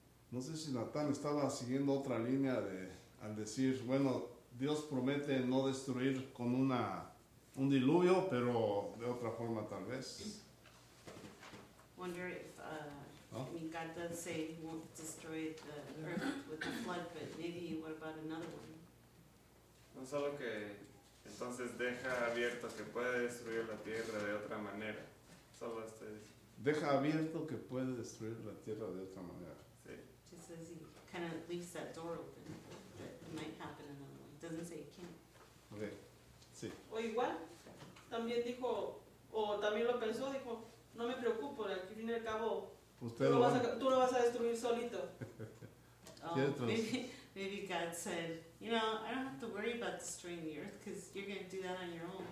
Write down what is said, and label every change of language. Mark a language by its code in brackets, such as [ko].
[es] No sé si Natán estaba siguiendo otra línea al decir, bueno, Dios promete no destruir con un diluvio, pero de otra forma tal vez. [en] Wonder if God does say he won't destroy the earth with the flood, but maybe what about another one? [es] No solo que entonces deja abierto que puede destruir la tierra de otra manera. Solo este. Deja abierto que puede destruir la tierra de otra manera. [en] Says he kind of leaves that door open, but it might happen another way. Doesn't say it can't. [es] Okay. Sí. O igual, también dijo, o también lo pensó, dijo, no me preocupo, al fin y al cabo, tú lo vas a destruir solito. [en] maybe God said, you know, I don't have to worry about destroying the earth because you're going to do that on your own.